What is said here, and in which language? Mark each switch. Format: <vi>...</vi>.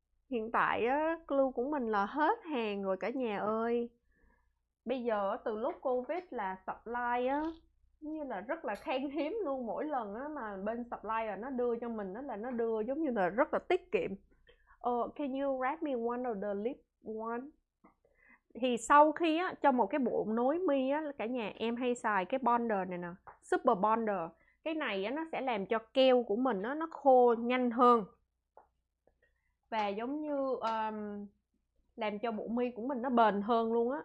<vi>Hiện tại á, clue của mình là hết hàng rồi cả nhà ơi. Bây giờ từ lúc Covid là supply á, như là rất là khan hiếm luôn. Mỗi lần á mà bên supply là nó đưa cho mình á là nó đưa giống như là rất là tiết kiệm.</vi> <en>Can you wrap me one of the lip one?</en> <vi>Thì sau khi á cho một cái bộ nối mi á, cả nhà em hay xài cái bonder này nè, super bonder. Cái này á nó sẽ làm cho keo của mình á nó khô nhanh hơn. Và giống như làm cho bộ mi của mình nó bền hơn luôn á.</vi>